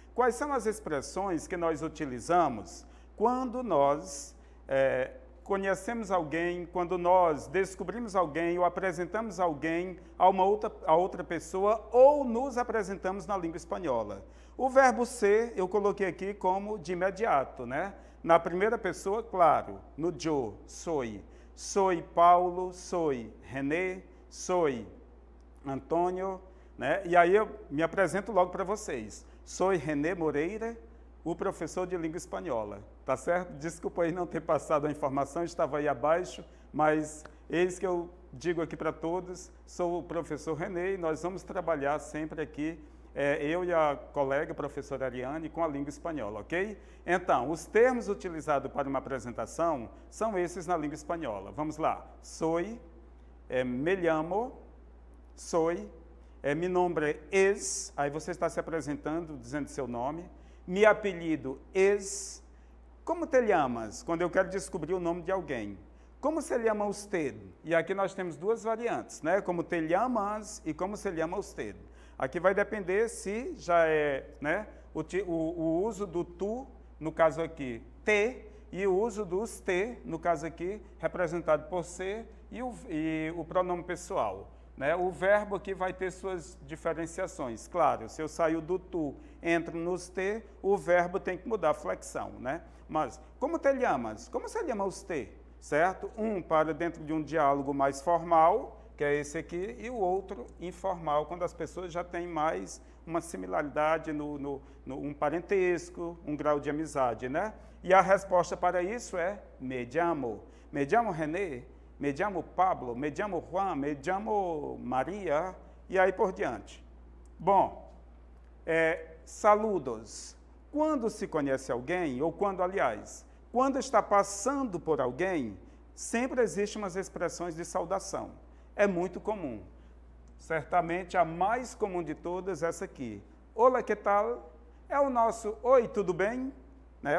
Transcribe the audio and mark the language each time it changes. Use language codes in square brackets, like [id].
[pt] Quais são as expressões que nós utilizamos quando nós conhecemos alguém, quando nós descobrimos alguém ou apresentamos alguém a outra pessoa ou nos apresentamos na língua espanhola? O verbo ser eu coloquei aqui como de imediato, né? Na primeira pessoa, claro, [es] no yo, soy. Soy Paulo, soy René, soy Antonio, [pt] né? E aí eu me apresento logo para vocês. [es] Soy René Moreira, [pt] o professor de língua espanhola. Tá certo? Desculpa aí não ter passado a informação, estava aí abaixo, mas eis que eu digo aqui para todos: sou o professor René e nós vamos trabalhar sempre aqui, eu e a colega, a professora Ariane, com a língua espanhola, ok? Então, os termos utilizados para uma apresentação são esses na língua espanhola. Vamos lá: [es] soy, me llamo, soy, mi nombre es, [pt] aí você está se apresentando dizendo seu nome, [es] mi apelido es. Como te llamas? [pt] Quando eu quero descobrir o nome de alguém. [es] Como se llama usted? [pt] E aqui nós temos duas variantes, né? [es] Como te llamas [pt] e [es] como se llama usted. [pt] Aqui vai depender se já é, né, o uso do tu, no caso aqui, te, e o uso do usted, no caso aqui, representado por se, e o pronome pessoal, né? O verbo aqui vai ter suas diferenciações. Claro, se eu saio do tu, entro no usted, o verbo tem que mudar a flexão, né? Mas, [es] como te llamas? Como se llama usted? [pt] Certo? Um para dentro de um diálogo mais formal, que é esse aqui, e o outro informal, quando as pessoas já têm mais uma similaridade um parentesco, um grau de amizade, né? E a resposta para isso é [es] me llamo. Me llamo René, me llamo Pablo, me llamo Juan, me llamo Maria, e aí por diante. [pt] Bom, [es] saludos. [pt] Quando se conhece alguém, ou quando, aliás, quando está passando por alguém, sempre existem umas expressões de saudação. É muito comum. Certamente a mais comum de todas é essa aqui. [es] Hola, que tal? [pt] É o nosso oi, tudo bem? Né?